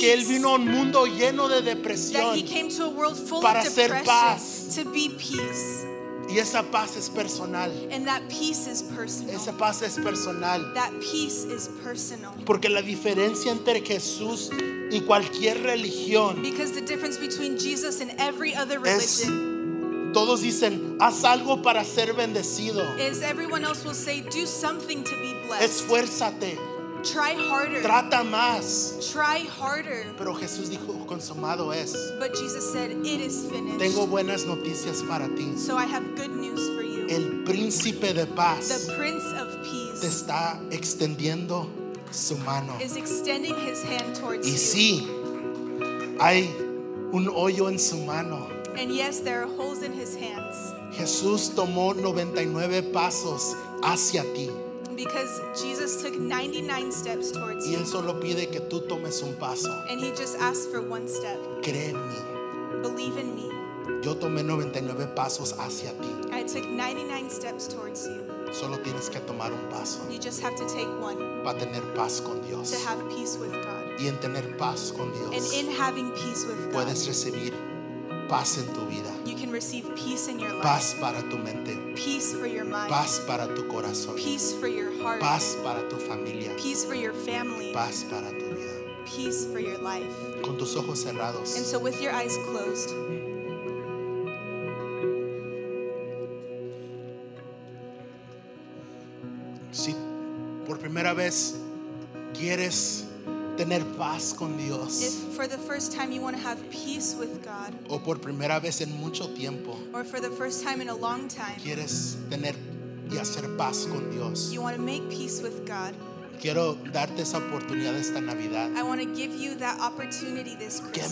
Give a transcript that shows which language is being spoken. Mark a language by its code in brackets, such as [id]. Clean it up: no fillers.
[es] que él vino a un mundo lleno de depresión, [en] that he came to a world full [es] para [en] of depression, [es] paz, [en] to be peace. [es] Y esa paz es personal. [en] And that peace is personal. [es] Esa paz es personal. [en] That peace is personal. [es] Porque la diferencia entre Jesús y cualquier religión. [en] Because the difference between Jesus and every other religion. [es] Todos dicen, haz algo para ser bendecido. [en] Is everyone else will say, do something to be blessed. [es] Esfuérzate. [en] Try harder. [es] Trata más. [en] Try harder. [es] Pero Jesús dijo, consumado es. [en] But Jesus said, it is finished. [es] Tengo buenas noticias para ti. [en] So I have good news for you. [es] El Príncipe de Paz. [en] The Prince of Peace. [es] Te está extendiendo su mano. [en] Is extending his hand towards [es] y [en] you. [es] Y sí, hay un hoyo en su mano. [en] And yes, there are holes in his hands. [es] Jesús tomó 99 pasos hacia ti. [en] Because Jesus took 99 steps towards [es] y él solo pide que tú tomes un paso. [en] And he just asked for one step. [es] Cree en mí. [en] Believe in me. [es] Yo tomé 99 pasos hacia ti. [en] I took 99 steps towards you. [es] Solo tienes que tomar un paso. [en] You just have to take one. [es] Para tener paz con Dios. [en] To have peace with God. [es] Y en tener paz con Dios. [en] And in having peace with God. [es] Puedes recibir paz en tu vida. [en] You can receive peace in your life. [es] Paz para tu mente. [en] Peace for your mind. [es] Paz para tu corazón. [en] Peace for your heart. [es] Paz para tu familia. [en] Peace for your family. [es] Paz para tu vida. [en] Peace for your life. [es] Con tus ojos cerrados. [en] And so with your eyes closed. [es] Si por primera vez quieres tener paz con Dios. [en] If for the first time you want to have peace with God. [es] O por primera vez en mucho tiempo. [en] Or for the first time in a long time. [es] Quieres tener y hacer paz con Dios. [en] You want to make peace with God. [es] Quiero darte esa oportunidad esta Navidad. [en] I want to give you that opportunity this Christmas.